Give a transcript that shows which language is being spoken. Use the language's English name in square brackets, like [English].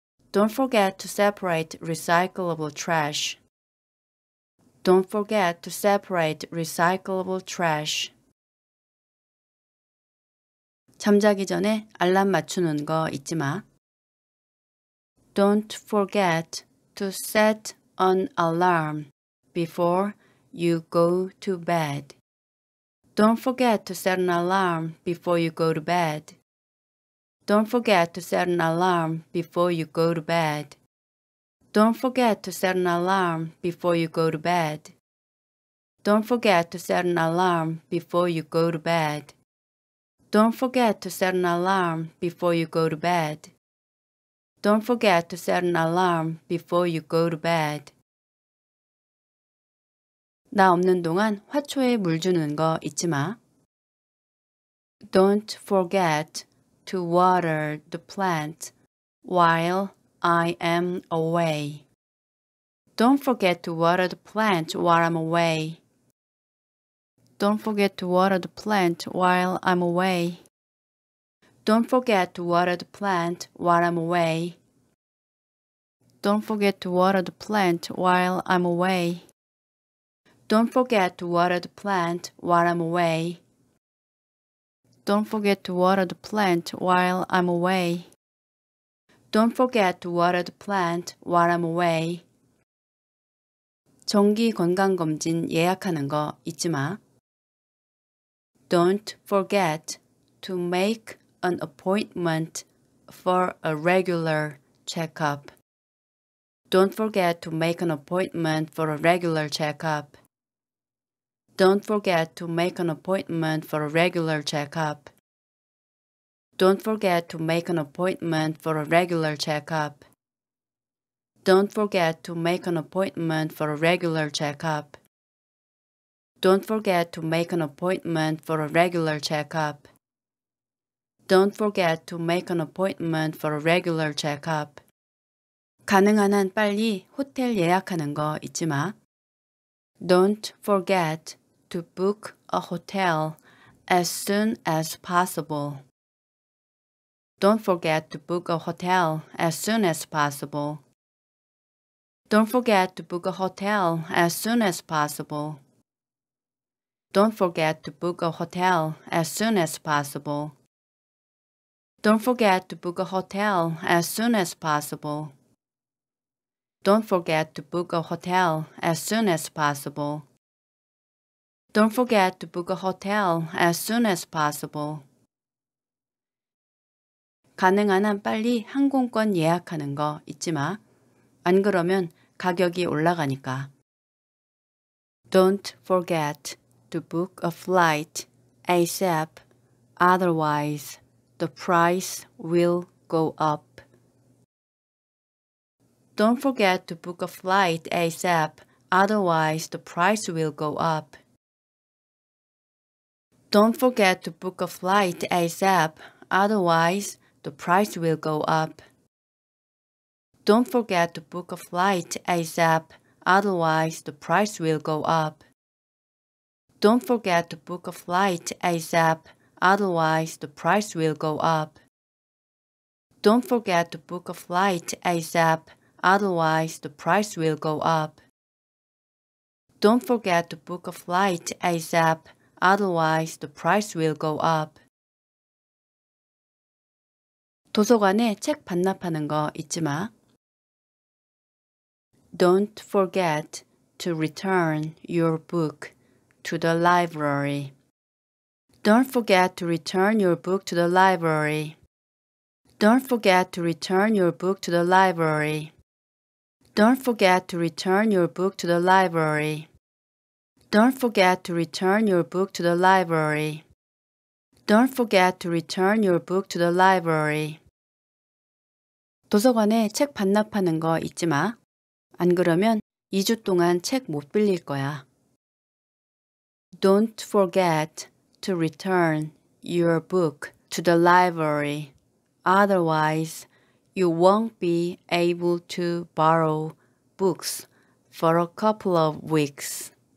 [English] Don't forget to separate recyclable trash. Don't forget to separate recyclable trash. [Korean] 잠자기 전에 알람 맞추는 거 잊지 마. [English] Don't forget to set an alarm before you go to bed. Don't forget to set an alarm before you go to bed. Don't forget to set an alarm before you go to bed. Don't forget to set an alarm before you go to bed. Don't forget to set an alarm before you go to bed. Don't forget to set an alarm before you go to bed. Don't forget to set an alarm before you go to bed. [Korean] 나 없는 동안 화초에 물 주는 거 잊지 마. [English] Don't forget to water the plant while I am away. Don't forget to water the plant while I'm away. Don't forget to water the plant while I'm away. Don't forget to water the plant while I'm away. Don't forget to water the plant while I'm away. Don't forget to water the plant while I'm away. Don't forget to water the plant while I'm away. Don't forget to water the plant while I'm away. [Korean] 정기 건강검진 예약하는 거 잊지 마. [English] Don't forget to make an appointment for a regular checkup. Don't forget to make an appointment for a regular checkup. Don't forget to make an appointment for a regular checkup. Don't forget to make an appointment for a regular checkup. Don't forget to make an appointment for a regular checkup. Don't forget to make an appointment for a regular checkup. Don't forget to make an appointment for a regular checkup. [Korean] 가능한 한 빨리 호텔 예약하는 거 잊지 마. [English] Don't forget to book a hotel as soon as possible. Don't forget to book a hotel as soon as possible. Don't forget to book a hotel as soon as possible. Don't forget to book a hotel as soon as possible. Don't forget to book a hotel as soon as possible. Don't forget to book a hotel as soon as possible. Don't forget to book a hotel as soon as possible. [Korean] 가능한 한 빨리 항공권 예약하는 거 잊지 마. 안 그러면 가격이 올라가니까. [English] Don't forget to book a flight ASAP, otherwise the price will go up. Don't forget to book a flight ASAP, otherwise the price will go up. Don't forget to book a flight ASAP, otherwise the price will go up. Don't forget to book a flight ASAP, otherwise the price will go up. Don't forget to book a flight ASAP, otherwise the price will go up. Don't forget to book a flight ASAP, otherwise the price will go up. Don't forget to book a flight ASAP, otherwise the price will go up. [Korean] 도서관에 책 반납하는 거 잊지 마. [English] Don't forget to return your book to the library. Don't forget to return your book to the library. Don't forget to return your book to the library. Don't forget to return your book to the library. Don't forget to return your book to the library. Don't forget to return your book to the library. [Korean] 도서관에 책 반납하는 거 잊지 마. 안 그러면 2주 동안 책 못 빌릴 거야. [English] Don't forget to return your book to the library. Otherwise, you won't be able to borrow books for a couple of weeks.